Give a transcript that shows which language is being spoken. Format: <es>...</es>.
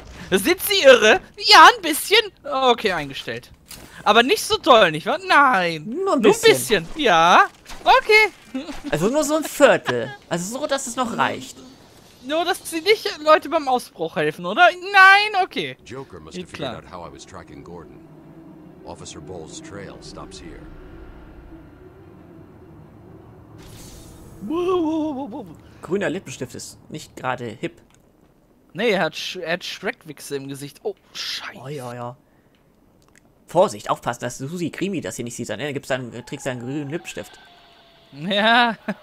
<de>Sitzt sie irre? Ja, ein bisschen. Okay, eingestellt. Aber nicht so toll, nicht wahr? Nein. Nur ein bisschen. Ja. Okay. Also nur so ein Viertel. Also so, dass es noch reicht. Nur, dass sie nicht Leute beim Ausbruch helfen, oder? Nein, okay.</de> <en>Joker must have figured out how I was tracking Gordon. Officer Ball's trail stops here.</en> <de>Grüner Lippenstift ist nicht gerade hip. Nee, er hat Schreckwichse im Gesicht. Oh, scheiße. Oh, ja, ja. Vorsicht, aufpassen, dass Susi Krimi das hier nicht sieht. Ne? Trägt seinen grünen Lippenstift. Ja.</de>